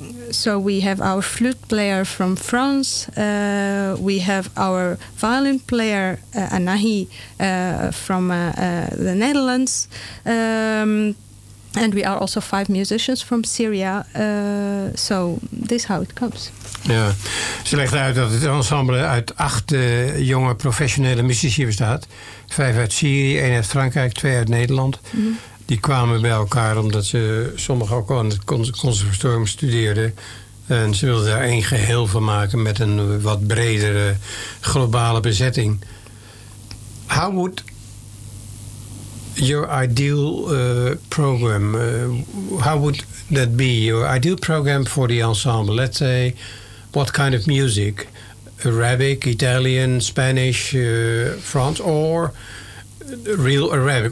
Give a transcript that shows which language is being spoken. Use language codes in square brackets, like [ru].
[en] So we have our flute player from France, we have our violin player Anahi from the Netherlands, and we are also 5 musicians from Syria. So this is how it comes. [nl] Ja, ze legt uit dat het ensemble uit 8 jonge professionele muzici bestaat. 5 uit Syrië, 1 uit Frankrijk, 2 uit Nederland. Mm-hmm. Die kwamen bij elkaar omdat ze sommigen ook al aan het conservatorium studeerden. En ze wilden daar één geheel van maken met een wat bredere globale bezetting. [en] How would your ideal program, how would that be your ideal program for the ensemble? Let's say, what kind of music? Arabic, Italian, Spanish, France, or real Arabic?